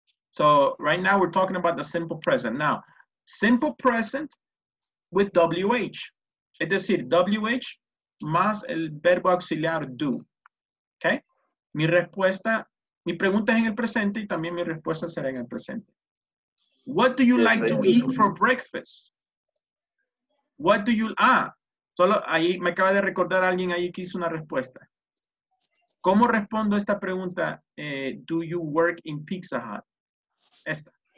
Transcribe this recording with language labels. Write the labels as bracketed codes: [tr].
[en] So, right now we're talking about the simple present. Now, simple present with WH. [es] Es decir, WH más el verbo auxiliar do. Okay? Mi respuesta, mi pregunta es en el presente y también mi respuesta será en el presente. [en] What do you like to eat for breakfast? What do you, [es] solo ahí me acaba de recordar alguien ahí que hizo una respuesta. ¿Cómo respondo esta pregunta? [en] Do you work in Pizza Hut? [es] Esta.